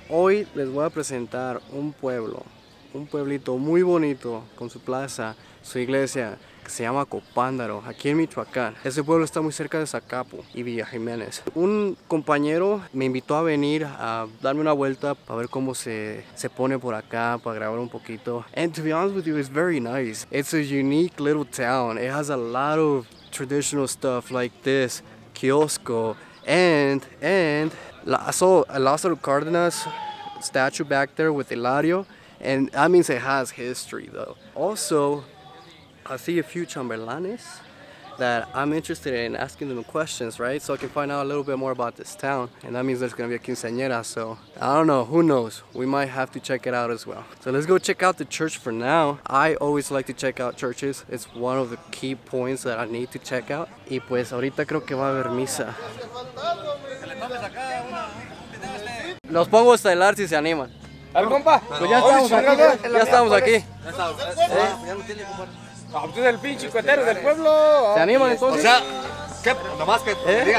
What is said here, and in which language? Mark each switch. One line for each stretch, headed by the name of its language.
Spanish: Hoy les voy a presentar un pueblo, un pueblito muy bonito, con su plaza, su iglesia, que se llama Copándaro, aquí en Michoacán. Ese pueblo está muy cerca de Zacapu y Villa Jiménez. Un compañero me invitó a venir a darme una vuelta para ver cómo se pone por acá, para grabar un poquito.
English: And to be honest with you, it's very nice. It's a unique little town. It has a lot of traditional stuff like this. Kiosco and also a Lázaro Cárdenas statue back there with Hilario, and that means it has history though. Also, I see a few chambelanes that I'm interested in asking them questions, right? So I can find out a little bit more about this town, and that means there's gonna be a quinceañera, so I don't know, who knows? We might have to check it out as well. So let's go check out the church for now. I always like to check out churches. It's one of the key points that I need to check out.
Spanish: Y pues ahorita creo que va a haber misa. Los pongo a estelar si se animan. ¡Al compa! Pues ya estamos aquí. Ya estamos aquí. Ya estamos. ¿Eh? Usted es el pinche cuetero del pueblo. ¿Se animan entonces? O sea, ¿qué, nomás que ¿eh?